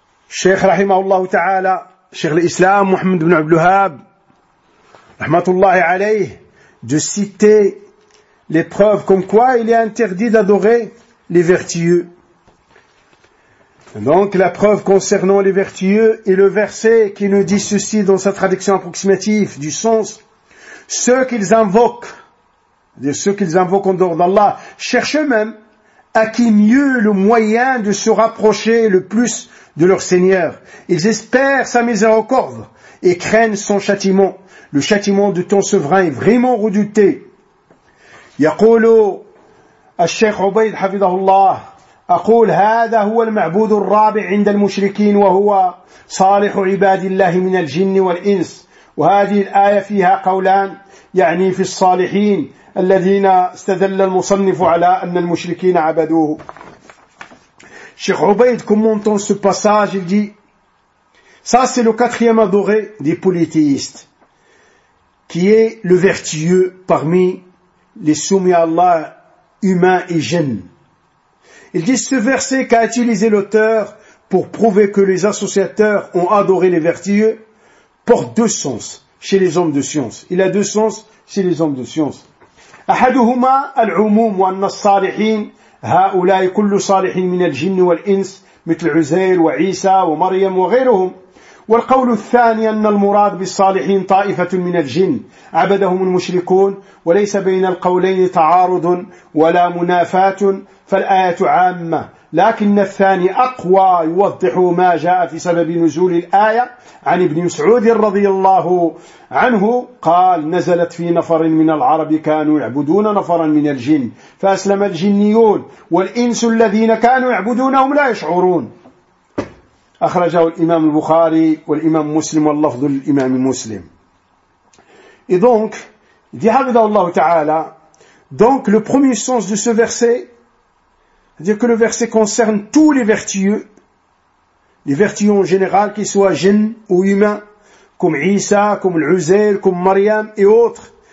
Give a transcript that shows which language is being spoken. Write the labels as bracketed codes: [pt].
[ar] الشيخ رحمه الله تعالى شيخ الإسلام محمد بن عبد الوهاب رحمة الله عليه [fr] de citer les preuves comme quoi il est interdit d'adorer les vertueux. Donc la preuve concernant les vertueux est le verset qui nous dit ceci dans sa traduction approximative du sens: ceux qu'ils invoquent, de ceux qu'ils invoquent en dehors d'Allah, cherchent eux-mêmes à qui mieux le moyen de se rapprocher le plus de leur Seigneur. Ils espèrent sa miséricorde et craignent son châtiment. Le châtiment de ton souverain est vraiment redouté. [ar] Yaqulu al-Sheikh Ubayd hafidahullah, أقول هذا هو المعبود الرابع عند المشركين وهو صالح عباد الله من الجن والإنس. وهذه الآية فيها قولان يعني في الصالحين الذين استدل المصنف على أن المشركين عبدوه. [fr] شيخ عبيد commentant ce passage, il dit: ça c'est le quatrième adoré des polythéistes, qui est le vertueux parmi les soumis à Allah humains et jinns. Il dit ce verset qu'a utilisé l'auteur pour prouver que les associateurs ont adoré les vertueux porte deux sens chez les hommes de science. Il a deux sens chez les hommes de science. [ar] أحدهما العموم وأن الصالحين هؤلاء كل صالح من الجن والإنس مثل عزير وعيسى ومريم وغيرهم. والقول الثاني أن المراد بالصالحين طائفة من الجن عبدهم المشركون وليس بين القولين تعارض ولا منافاة فالآية عامة لكن الثاني أقوى يوضح ما جاء في سبب نزول الآية عن ابن مسعود رضي الله عنه قال نزلت في نفر من العرب كانوا يعبدون نفرا من الجن فأسلم الجنيون والإنس الذين كانوا يعبدونهم لا يشعرون. أخرجه الإمام البخاري والإمام مسلم واللفظ للإمام مسلم. إذنك ذهب الله تعالى [fr] donc le premier sens de ce verset, c'est-à-dire que le verset concerne tous les vertueux en général, qu'ils soient jinns ou humains, comme Isa, comme l'Uzair, comme Mariam et autres.